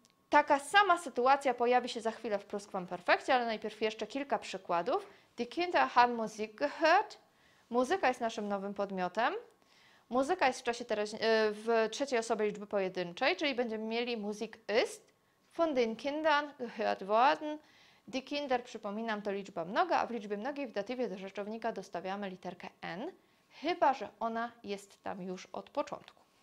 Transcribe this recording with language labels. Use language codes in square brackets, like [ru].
[pl] Taka sama sytuacja pojawi się za chwilę w pluskwamperfekcie, ale najpierw jeszcze kilka przykładów. [de] Die Kinder haben Musik gehört. [pl] Muzyka jest naszym nowym podmiotem. Muzyka jest w trzeciej osobie liczby pojedynczej, czyli będziemy mieli [de] Musik ist von den Kindern gehört worden. [pl] Die Kinder, przypominam, to liczba mnoga, a w liczbie mnogiej w datywie do rzeczownika dostawiamy literkę N, chyba że ona jest tam już od początku.